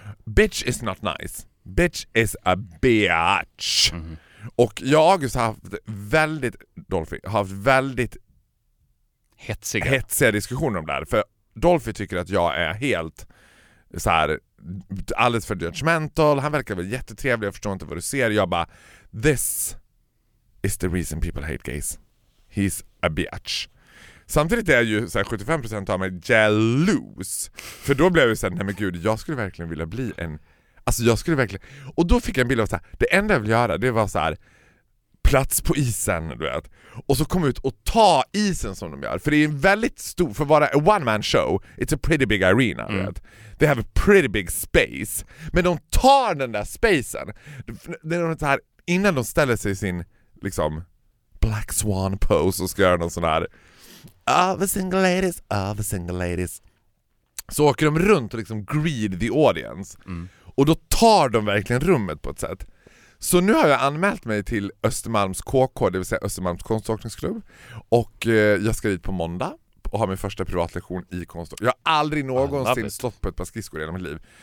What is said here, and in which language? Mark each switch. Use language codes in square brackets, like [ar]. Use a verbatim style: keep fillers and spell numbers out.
[en] Bitch is not nice. Bitch is a bitch. Mm-hmm. [sv] Och jag och August har haft väldigt Dolphy har haft väldigt hetsiga. hetsiga diskussioner om det här. För Dolphy tycker att jag är helt så här, alldeles för judgmental. Han verkar väl jättetrevlig, jag förstår inte vad du ser. Jag bara, [en] this is the reason people hate gays. He's a bitch. [sv] Samtidigt är ju så här, sjuttiofem procent av mig jealous. För då blev jag så här, nej men gud, jag skulle verkligen vilja bli en... Alltså jag skulle verkligen... Och då fick jag en bild av så här, det enda jag ville göra det var så här, plats på isen, du vet. Och så kom ut och ta isen som de gör. För det är en väldigt stor... För att vara en [en] one-man show, it's a pretty big arena, mm. [sv] du vet. [en] They have a pretty big space. [sv] Men de tar den där spacen. Det är så här, innan de ställer sig i sin liksom Black Swan pose och ska göra någon sån här... [en] All the single ladies, all the single ladies. [sv] Så åker de runt och liksom [en] greed the audience. [sv] Mm. Och då tar de verkligen rummet på ett sätt. Så nu har jag anmält mig till Östermalms K K, det vill säga Östermalms konståkningsklubb. Och eh, jag ska dit på måndag och ha min första privatlektion i konståkning. Jag har aldrig någonsin stått på ett par skridskor i hela mitt liv.